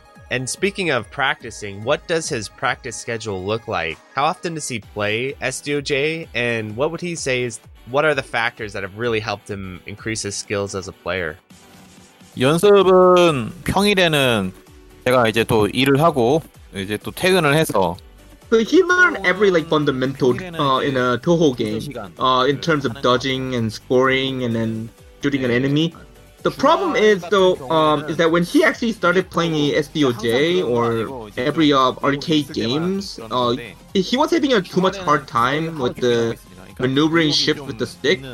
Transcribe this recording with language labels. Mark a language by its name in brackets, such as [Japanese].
[English] And speaking of practicing, what does his practice schedule look like? How often does he play SDOJ, and what would he say is what are the factors that have really helped him increase his skills as a player? [Korean] 연습은 평일에는 제가 이제 또 일을 하고 이제 또 퇴근을 해서. [English] So he learned every like fundamental in a touhou game, in terms of dodging and scoring and then shooting an enemy. The problem is though, is that when he actually started playing SDOJ or every arcade games, he was having a too much hard time with the maneuvering shift with the stick.